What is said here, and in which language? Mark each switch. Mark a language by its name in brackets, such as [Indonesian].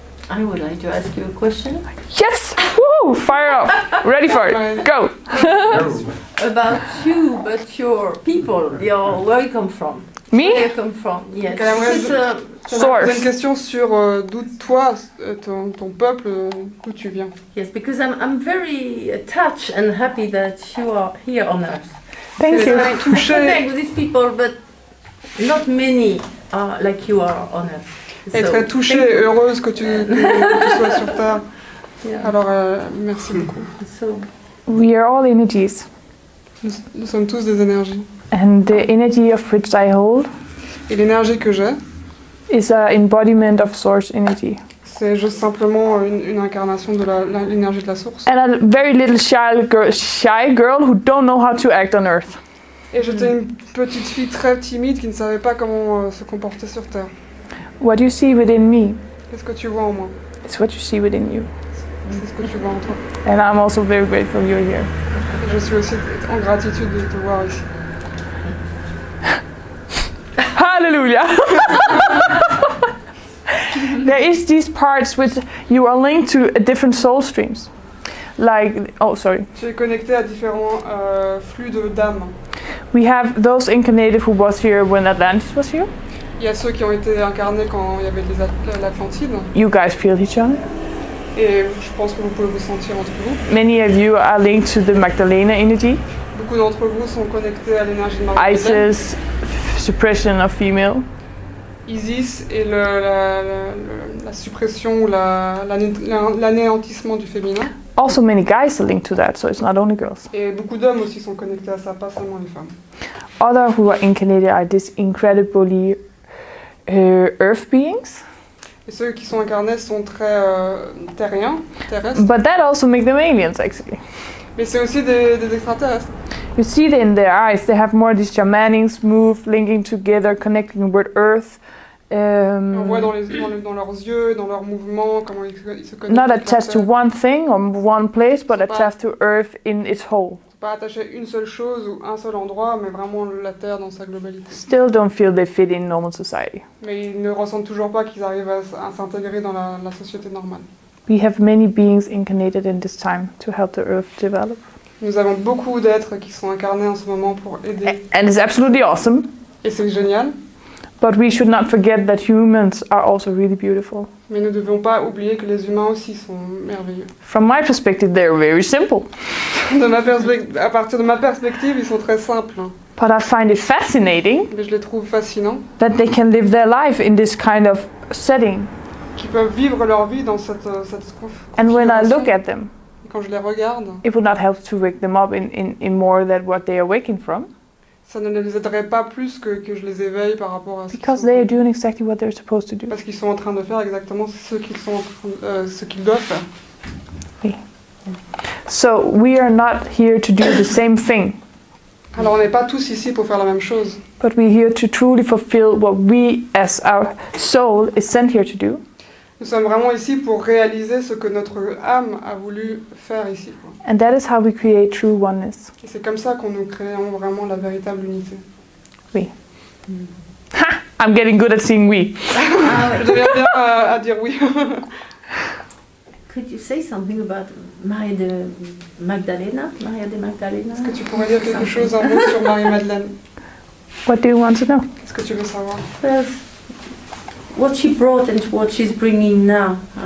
[English] I would like to ask you a question. Yes! Woo! Fire off! Ready for it! Go! About you, but your people, where you come from? Me? Where you come from, yes. Source. [French] J'ai une question sur d'où toi, ton peuple, d'où tu viens. [English] Yes, because I'm very touched and happy that you are here on Earth. Thank you. I connect with these people, but not many are like you are on Earth. [French] Et très touchée et heureuse que tu sois sur Terre. Yeah. Alors, merci beaucoup. [English] So, we are all energies. [French] Nous sommes tous des énergies. [English] And the energy of which I hold. [French] Et l'énergie que j'ai. [English] Is an embodiment of source energy. [French] C'est juste simplement une incarnation de l'énergie de la source. [English] And a very little shy girl who don't know how to act on Earth. [French] Et j'étais une petite fille très timide qui ne savait pas comment se comporter sur Terre. [English] What you see within me. [French] Qu'est-ce que tu vois en moi? [English] It's what you see within you. [French] C'est ce que tu vois en toi. [English] And I'm also very grateful you're here. [French] Et je suis aussi en gratitude de te voir ici. [English] Hallelujah. There is these parts which you are linked to different soul streams. Like oh sorry. [French] Tu es connecté à différents flux de d'âme. [English] We have those incarnated who was here when Atlantis was here. [French] Il y a ceux qui ont été incarnés quand il y avait l'Atlantide. [English] You guys feel each other. [French] Et je pense que vous pouvez vous sentir entre vous. [English] Many of you are linked to the Magdalena energy. [French] Beaucoup d'entre vous sont connectés à l'énergie de Magdalena. [English] Isis, suppression of female. [French] Isis et la suppression ou l'anéantissement du féminin. [English] also many guys are linked to that, so it's not only girls. [French] Et beaucoup d'hommes aussi sont connectés à ça, pas seulement les femmes. [English] Other who are incarnated are these incredibly earth beings. [French] Et ceux qui sont incarnés sont très terriens, terrestres. [English] But that also makes them aliens, actually. [French] Mais c'est aussi des extraterrestres. [English] You see it in their eyes. They have more of these Germanic move, linking together, connecting the word Earth. [French] On voit dans leurs yeux, dans leurs mouvements, comment ils se connectent. [English] Not attached to one thing or one place, but attached to Earth in its whole. [French] Pas attaché à une seule chose ou un seul endroit, mais vraiment la Terre dans sa globalité. [English] Still don't feel they fit in normal society. [French] Mais ils ne ressentent toujours pas qu'ils arrivent à s'intégrer dans la société normale. [English] We have many beings incarnated in this time to help the Earth develop. [French] Nous avons beaucoup d'êtres qui sont incarnés en ce moment pour aider. [English] And it's absolutely awesome. [French] Et c'est génial. [English] But we should not forget that humans are also really beautiful. [French] Mais nous ne devons pas oublier que les humains aussi sont merveilleux. [English] From my perspective, they're very simple. [French] À partir de ma perspective, ils sont très simples. [English] But I find it fascinating. [French] Mais je les trouve fascinants. [English] That they can live their life in this kind of setting. [French] Qu'ils peuvent vivre leur vie dans cette configuration. [English] And when I look at them. [French] Quand je les regarde, [English] it would not help to wake them up in more than what they are waking from. [French] Ça ne les aiderait pas plus que je les éveille par rapport à. [English] Because they are doing exactly what they're supposed to do. [French] Parce qu'ils sont en train de faire exactement ce qu'ils sont ce qu'ils doivent faire. [English] Okay. So we are not here to do the same thing. [French] Alors on n'est pas tous ici pour faire la même chose. [English] But we're here to truly fulfill what we, as our soul, is sent here to do. [French] Nous sommes vraiment ici pour réaliser ce que notre âme a voulu faire ici. [English] And that is how we create true oneness. [French] Et c'est comme ça qu'on nous créons vraiment la véritable unité. [English] Oui. Ha! I'm getting good at saying oui. [French] Je deviens bien à dire oui. [English] Could you say something about Maria de Magdalena? Maria de Magdalena? [French] Est-ce que tu pourrais dire quelque chose un mot sur Marie-Madeleine? [English] What do you want to know? [French] Qu'est-ce que tu veux savoir? [English] What she brought and what she's bringing now.